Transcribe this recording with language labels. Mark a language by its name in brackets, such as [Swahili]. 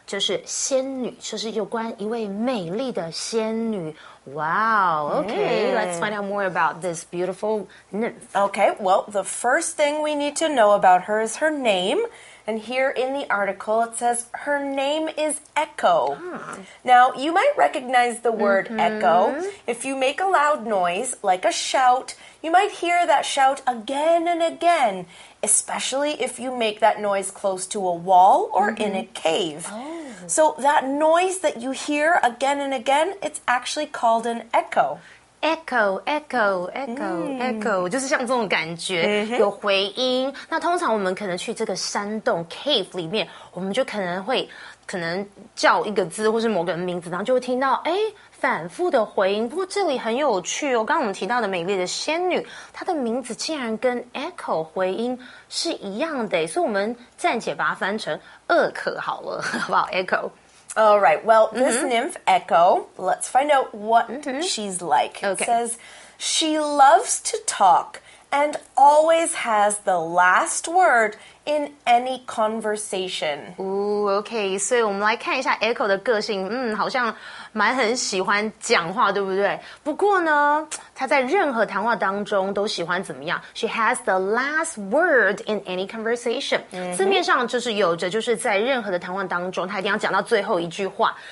[Chinese] 就是仙女，就是有关一位美丽的仙女。 [English] Wow, okay, let's find out more about this beautiful nymph. Okay, well, the first thing we need to know about her is her name. And here in the article, it says her name is Echo. Ah. Now, you might recognize the word echo. If you make a loud noise, like a shout, you might hear that shout again and again, especially if you make that noise close to a wall or in a cave. Oh. So that noise that you hear again and again, it's actually called an echo. echo, echo, echo, echo， [Chinese] 就是像这种感觉，有回音。那通常我们可能去这个山洞 cave 里面，我们就可能会可能叫一个字或是某个名字，然后就会听到哎反复的回音。不过这里很有趣哦，刚刚我们提到的美丽的仙女，她的名字竟然跟 echo 回音是一样的，所以我们暂且把它翻成厄可好了，好不好 ？Echo。 [English] All right. Well, this nymph Echo, let's find out what she's like. Okay. It says she loves to talk and always has the last word in any conversation. Ooh, okay. So, [Chinese] 我们来看一下 Echo 的个性。好像蛮很喜欢讲话，对不对？不过呢，她在任何谈话当中都喜欢怎么样？ [English] She has the last word in any conversation. [Chinese] 字面上就是有着，就是在任何的谈话当中，她一定要讲到最后一句话。